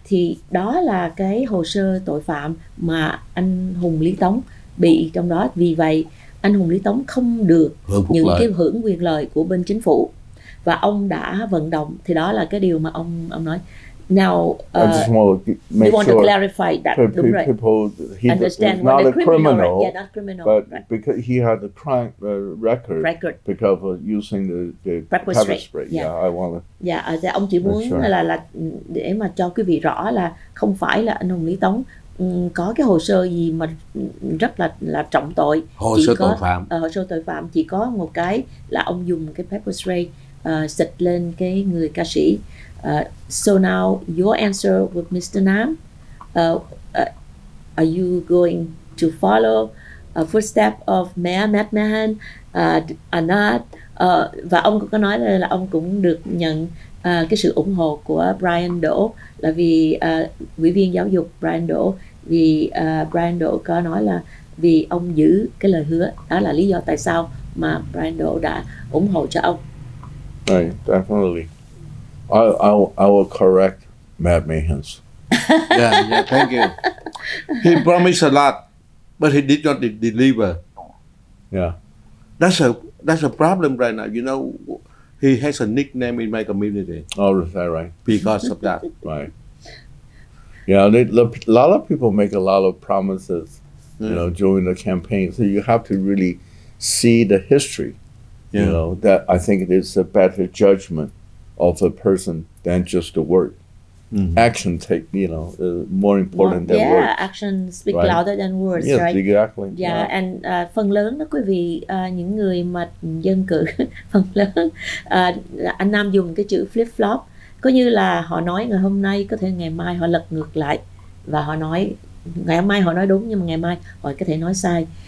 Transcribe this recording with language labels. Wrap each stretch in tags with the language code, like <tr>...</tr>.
<vi>Thì đó là cái hồ sơ tội phạm mà anh Hùng Lý Tống bị trong đó, vì vậy anh Hùng Lý Tống không được những cái hưởng quyền lợi của bên chính phủ, và ông đã vận động, thì đó là cái điều mà ông nói.</vi> <en>Now, I just want to make sure to clarify that he's not a criminal, because he had a crime record because of using the pepper spray. Yeah, I want to.</en> <vi>Ông chỉ muốn sure. là để mà cho quý vị rõ là không phải là anh Hùng Lý Tống có cái hồ sơ gì mà rất là trọng tội. Hồ sơ tội phạm chỉ có một cái là ông dùng cái pepper spray xịt lên cái người ca sĩ.</vi> <en>So now your answer with Mr. Nam, are you going to follow a footstep of Mayor Matt Mahan or not?</en> <vi>Và ông có nói là ông cũng được nhận cái sự ủng hộ của Brian Doe, là vì ủy viên giáo dục Brian Doe, vì Brian Doe có nói là vì ông giữ cái lời hứa, đó là lý do tại sao mà Brian Doe đã ủng hộ cho ông.</vi> <en>Right, definitely. I will correct Matt Mahan. Yeah, thank you. He promised a lot, but he did not deliver. Yeah. That's a problem right now. You know, he has a nickname in my community. Oh, is that right? Because of that. Right. Yeah, a lot of people make a lot of promises, you know, during the campaign. So you have to really see the history. You know, that I think it is a better judgment of a person than just the word. action take, you know, more important than words. Yeah, action speak right? louder than words, yes, right? Yes, exactly. Yeah, yeah.</en> <vi>And phần lớn đó, quý vị, những người mà dân cử, phần lớn, anh Nam dùng cái chữ flip-flop, có như là họ nói ngày hôm nay, có thể ngày mai họ lật ngược lại, và họ nói, ngày hôm nay họ nói đúng, nhưng mà ngày mai họ có thể nói sai.</vi>